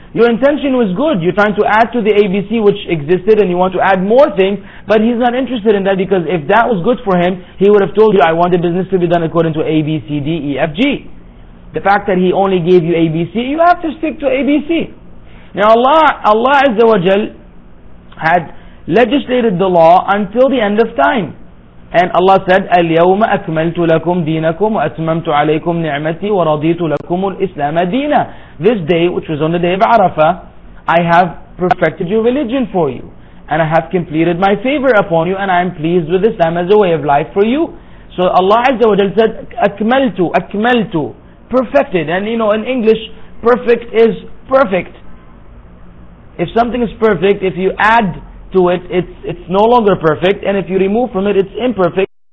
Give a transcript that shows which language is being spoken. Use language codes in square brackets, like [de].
[en] Your intention was good. You're trying to add to the ABC which existed and you want to add more things, but he's not interested in that, because if that was good for him, he would have told you, I want the business to be done according to ABCDEFG. The fact that he only gave you ABC, you have to stick to ABC. Now Allah Azza wa Jal had legislated the law until the end of time. And Allah said, [ar] الْيَوْمَ أَكْمَلْتُ لَكُمْ دِينَكُمْ وَأَتْمَمْتُ عَلَيْكُمْ نِعْمَتِي وَرَضِيتُ لَكُمُ الْإِسْلَامَ دِينَ. [en] This day, which was on the day of Arafah, I have perfected your religion for you. And I have completed my favor upon you, and I am pleased with Islam as a way of life for you. So Allah Azza wa Jal said, أَكْمَلْتُ, perfected. And you know, in English, perfect is perfect. If something is perfect, if you add to it, it's no longer perfect, and if you remove from it, it's imperfect.